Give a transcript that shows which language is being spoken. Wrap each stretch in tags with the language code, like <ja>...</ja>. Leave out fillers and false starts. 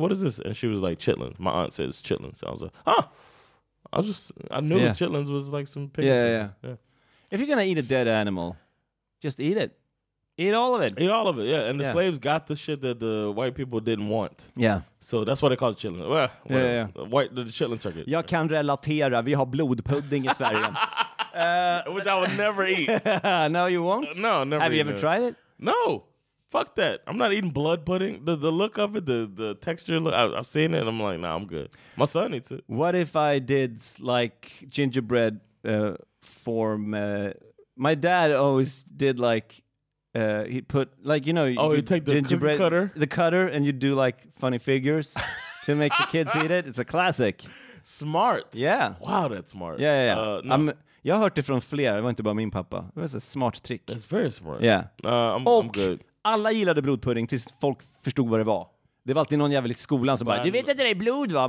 <en>What is this? And she was like, chitlins. My aunt says chitlins. So I was like, huh? I knew chitlins was like some pig. Yeah. If you're going to eat a dead animal, just eat it. Eat all of it, yeah. And the slaves got the shit that the white people didn't want. Yeah. So that's why they call it chitlins. Well, the chitlin circuit.</en> <sv>Jag kan relatera, vi har blodpudding i Sverige.</sv> <en>Which I would never eat. No, you won't? No, never eat. Have you ever tried it? No. Fuck that. I'm not eating blood pudding. The look of it, the texture, I've seen it, and I'm like, nah, I'm good. My son eats it. What if I did, like, gingerbread form? My dad always did, like, he put, like, you know, you take the gingerbread cutter? The cutter, and you do, like, funny figures to make the kids eat it. It's a classic. Smart. Yeah. Wow, that's smart. Yeah. No.</en> <sv>Jag har hört det från flera. Det var inte bara min pappa.</sv> <en>It was a smart trick. That's very smart. Yeah. I'm good.</en> <sv>Alla gillade blodpudding tills folk förstod vad det var. Det var alltid någon jävel i skolan som bara, du vet att det är blod, va?</sv>